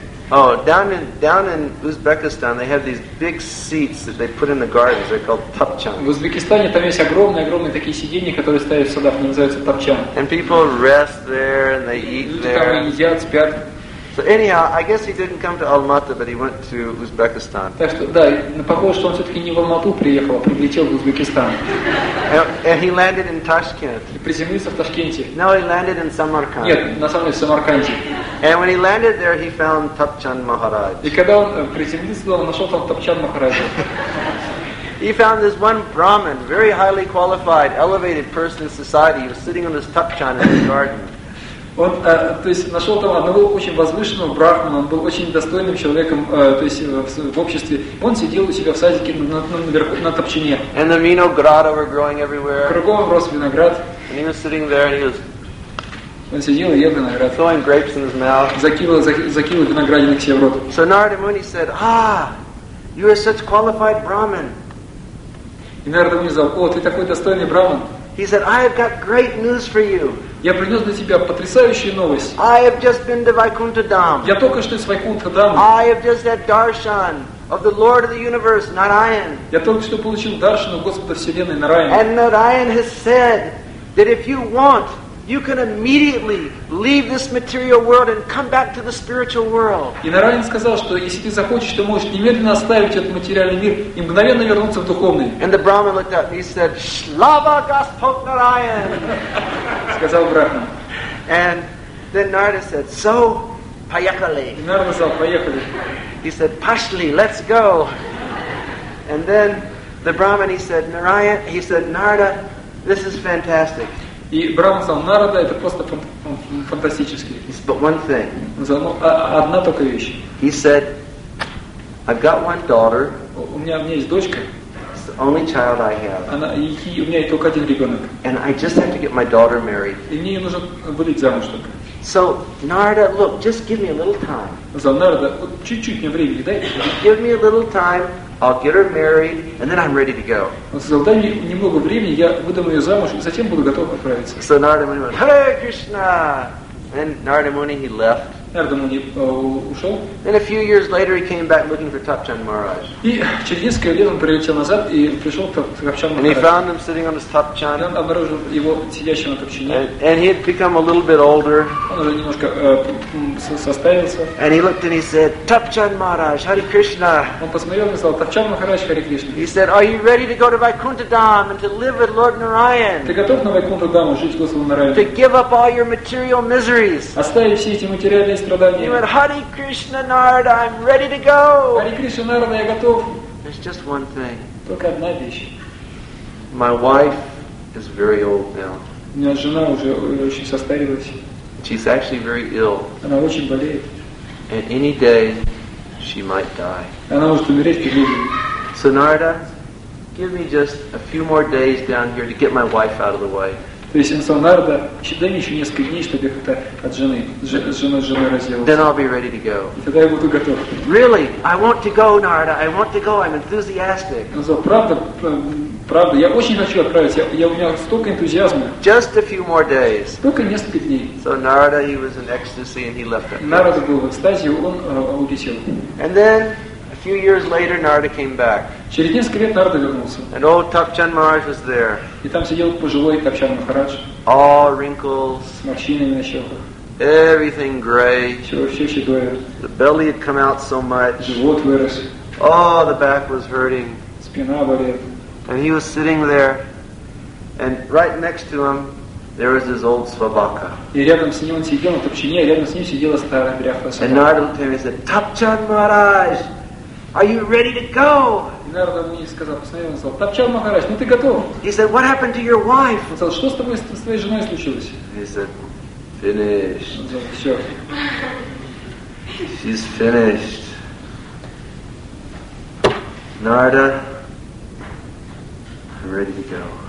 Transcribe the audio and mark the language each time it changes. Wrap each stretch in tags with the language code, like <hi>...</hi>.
<en>Oh, down in Uzbekistan, they have these big seats that they put in the gardens. They're called tapchan.</en> <ru>В Узбекистане там есть огромные такие сиденья, которые ставят в садах, называются тапчан.</ru> <en>And people rest there and they eat there.</en> <ru>Люди там едят, спят.</ru> <en>So anyhow, I guess he didn't come to Almaty, but he went to Uzbekistan.</en> <ru>Так что да, похоже, что он все-таки не в Алмату приехал, а прилетел в Узбекистан.</ru> <en>And he landed in Tashkent.</en> <ru>И приземлился в Ташкенте.</ru> <en>No, he landed in Samarkand.</en> <ru>Нет, на самом деле в Самарканде.</ru> <en>And when he landed there, he found Tapchan Maharaj.</en> <ru>И когда он приземлился, он нашел там Тапчан Махараджа.</ru> <en>He found this one Brahmin, very highly qualified, elevated person in society. He was sitting on this Tapchan in his garden.</en> <ru>Он, то есть, нашел там одного очень возвышенного брахмана, он был очень достойным человеком, то есть, в обществе. Он сидел у себя в садике на топчине.</ru> <en>And the vinograda were growing everywhere.</en> <ru>Кругом рос виноград.</ru> <en>And he was sitting there, and he was...</en> <ru>Он сидел и ел виноград.</ru> <en>Throwing grapes in his mouth.</en> <ru>Закинул виноградинок себе в рот.</ru> <en>So Narada Muni said, ah, you are such qualified brahmin.</en> <ru>И Нарада Муни сказал, о, ты такой достойный брахман.</ru> <en>He said, I have got great news for you.</en> <ru>Я принес для тебя потрясающую новость.</ru> <en>I have just been to Vaikuntha Dham.</en> <ru>Я только что из Вайкунтха Дхамы.</ru> <en>I have just had darshan of the Lord of the Universe, Narayan.</en> <ru>Я только что получил даршан у Господа Вселенной Нараяна.</ru> <en>And Narayan has said that if you want, you can immediately leave this material world and come back to the spiritual world.</en> <ru>И Нараян сказал, что если ты захочешь, ты можешь немедленно оставить этот материальный мир и мгновенно вернуться в духовный.</ru> <en>And the Brahmin looked up and he said,</en> <ru>Shlava Gaspot</ru> <en>Narayan.</en> <ru>Сказал Брахман.</ru> <en>And then Narada said, so,</en> <ru>поехали. И Нарада сказал, поехали.</ru> <en>He said,</en> <ru>Пошли,</ru> <en>let's go. And then the Brahmin, he said, Narada, this is fantastic.</en> <ru>И Брахман сказал, Нарада, это просто фантастически.</ru> <en>But one thing.</en> <ru>Он сказал, ну, одна только вещь.</ru> <en>He said, I've got one daughter.</en> <ru>У меня есть дочка.</ru> <en>It's the only child I have.</en> <ru>У меня есть только один ребенок.</ru> <en>And I just have to get my daughter married.</en> <ru>И мне нужно выдать замуж только.</ru> <en>So, Narada, look, just give me a little time.</en> <ru>Он сказал, Нарада, чуть-чуть мне времени дай.</ru> <en>Give me a little time. I'll get her married, and then I'm ready to go.</en> <ru>Он сказал, дай мне немного времени, я выдам ее замуж, и затем буду готов отправиться.</ru> <en>So Narada Muni went, Hare Krishna! And Narada Muni, he left.</en> <ru>Narada Muni ушел.</ru> <en>And a few years later, he came back looking for Tapchan Maharaj.</en> <ru>И через несколько лет он прилетел назад и пришел к Тапчан Махараджу.</ru> <en>And he found him sitting on his Tapchan.</en> <ru>И он обнаружил его сидящим на Тапчане.</ru> <en>And he had become a little bit older.</en> <ru>Он уже немножко состарился.</ru> <en>And he looked and he said, Tapchan Maharaj, Hare Krishna.</en> <ru>Он посмотрел и сказал, Тапчан Махарадж, Хари Кришна.</ru> <en>He said, Are you ready to go to Vaikuntha Dham and to live with Lord Narayan?</en> <ru>Ты готов на Вайкунтху Дхаму жить с Господом Нараяном?</ru> <en>To give up all your material miseries.</en> <ru>Оставить все эти материальные страдания.</ru> <en>He went, Hare Krishna, Narada, I'm ready to go.</en> <ru>Hare Krishna, Narada, я готов.</ru> <en>There's just one thing.</en> <ru>Только одна вещь.</ru> <en>My wife is very old now.</en> <ru>У меня жена уже очень состарилась.</ru> <en>She's actually very ill.</en> <ru>Она очень болеет.</ru> <en>And any day, she might die.</en> <ru>Она может умереть в любой.</ru> <en>So Narada, give me just a few more days down here to get my wife out of the way.</en> <ru>То есть, сказал, Нарада, дай мне еще несколько дней, чтобы я как-то от жены, с женой разделался.</ru> <en>Then I'll be ready to go.</en> <ru>И тогда я буду готов.</ru> <en>Really? I want to go, Narada. I want to go. I'm enthusiastic.</en> <ru>Он сказал, правда, Правда, я очень хочу отправиться. Я у меня столько энтузиазма.</ru> <en>Just a few more days.</en> <ru>Только несколько дней.</ru> <en>So Narada, he was in ecstasy and he left.</en> <ru>Нарада был в экстазе, он улетел.</ru> <en>And then a few years later, Narada came back.</en> <ru>Через несколько лет Нарада вернулся.</ru> <en>And old Thakchan Maharaj was there.</en> <ru>И там сидел пожилой Тапчан Махарадж.</ru> <en>All wrinkles.</en> <ru>С морщинами на щеках.</ru> <en>Everything gray. The belly had come out so much.</en> <ru>Живот вырос.</ru> <en>Oh, the back was hurting.</en> <ru>Спина болит.</ru> <en>And he was sitting there, and right next to him, there was his old svabaka.</en> <ru>И рядом с ним он сидел на топчине, рядом с ним сидела старая бряха.</ru> <en>And Narada looked at him and said, "Thakchan Maharaj, are you ready to go?"</en> <ru>И Нарада мне сказал, посмотрел на него, "Thakchan Maharaj, ну ты готов?"</ru> <en>He said, "What happened to your wife?"</en> <ru>Он сказал, "Что с тобой, с твоей женой случилось?"</ru> <en>He said, "Finished. She's finished. Narada, I'm ready to go."</en>